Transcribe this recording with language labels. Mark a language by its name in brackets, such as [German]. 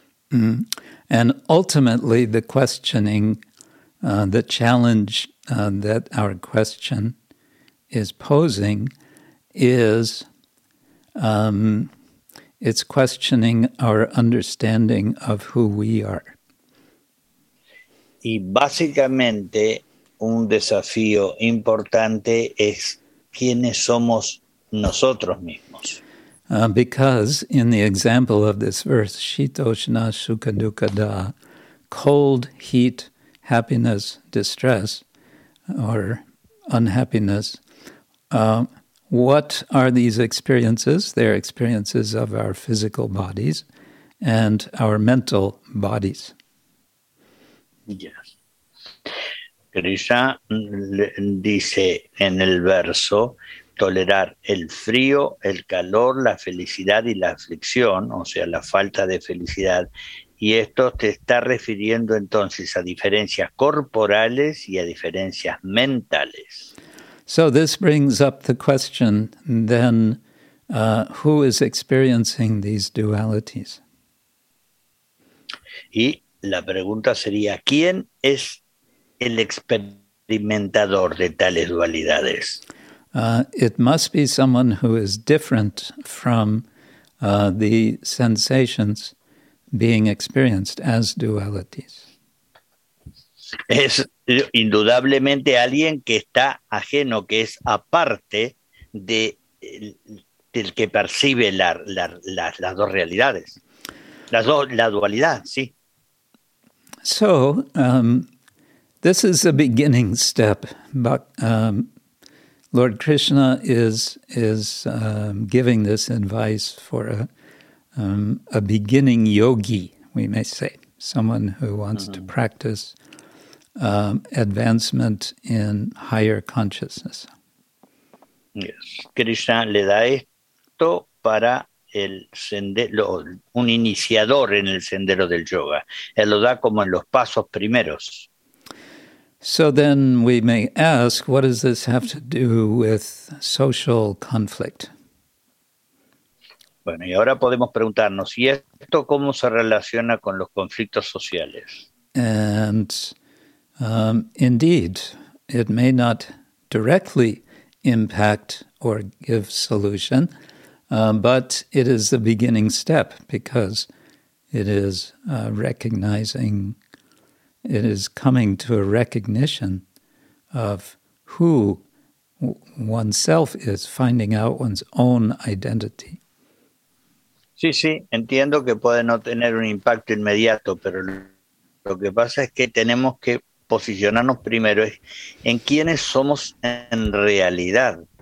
[English] And ultimately, the questioning, the challenge that our question is posing is, it's questioning our understanding of who we are. [Spanish] Y básicamente, un desafío importante es quiénes somos nosotros mismos. [English] Because in the example of this verse, [Sanskrit] shitoshna sukha dukkha da, [English] cold, heat, happiness, distress, or unhappiness, what are these experiences? They're experiences of our physical bodies and our mental bodies. Yes. [Spanish] Krishna dice en el verso, tolerar el frío, el calor, la felicidad y la aflicción, o sea, la falta de felicidad. Y esto te está refiriendo entonces a diferencias corporales y a diferencias mentales. [English] So this brings up the question then, who is experiencing these dualities? [Spanish] Y la pregunta sería, ¿quién es el experimentador de tales dualidades? [English] It must be someone who is different from the sensations being experienced as dualities. [Spanish] Es indudablemente alguien que está ajeno, que es aparte de del que percibe las dos realidades. La dualidad, sí. [English] So, this is a beginning step, but Lord Krishna is giving this advice for a beginning yogi, we may say, someone who wants to practice advancement in higher consciousness. Yes, [Spanish] Krishna le da esto para el sendero, un iniciador en el sendero del yoga. Él lo da como en los pasos primeros. [English] So then we may ask, what does this have to do with social conflict? [Spanish] Bueno, y ahora podemos preguntarnos, ¿y esto cómo se relaciona con los conflictos sociales? [English] And indeed, it may not directly impact or give solution, but it is the beginning step because it is recognizing, it is coming to a recognition of who oneself is, finding out one's own identity. [Spanish] Sí, sí, entiendo que puede no tener un impacto inmediato, pero lo que pasa es que tenemos que posicionarnos primero en quiénes somos en realidad.